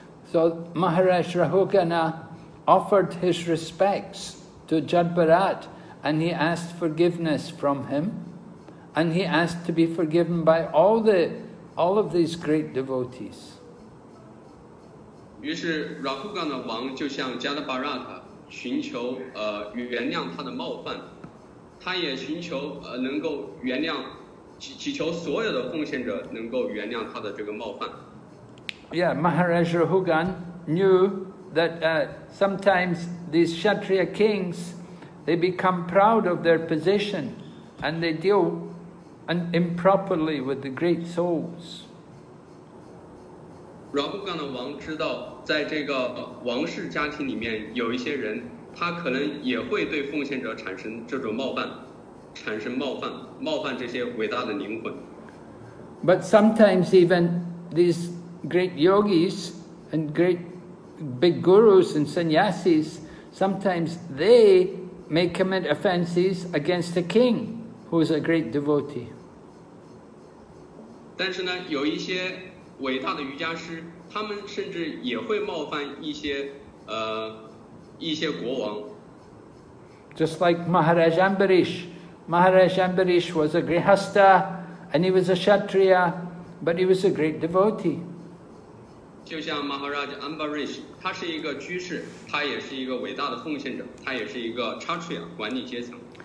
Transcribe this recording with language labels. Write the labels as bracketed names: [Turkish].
[English] So Maharaj Raghugana offered his respects to Jadbharat, and he asked forgiveness from him, and he asked to be forgiven by all of these great devotees. [Chinese] 于是 Raghugana 王就向 Jadbharat。寻求原谅他的冒犯，他也寻求能够原谅，祈求所有的奉献者能够原谅他的这个冒犯。 [English] Yeah, Maharaj Raghugan knew that sometimes these Kshatriya kings, they become proud of their position, and they deal improperly with the great souls. [Chinese] Raghugan 的王知道在这个王室家庭里面有一些人，他可能也会对奉献者产生这种冒犯，产生冒犯这些伟大的灵魂。 [English] But sometimes even these great yogis and great big gurus and sannyasis, sometimes they may commit offenses against the king, who is a great devotee. [Chinese] 但是呢，有一些伟大的瑜伽师，他们甚至也会冒犯一些国王。 [English] Just like Maharaj Ambarish. Maharaj Ambarish was a grihastha and he was a kshatriya, but he was a great devotee. [Chinese] 就像 Maharaj Ambarish, 他是一个居士，他也是一个伟大的奉献者，他也是一个 kshatriya, 管理阶层。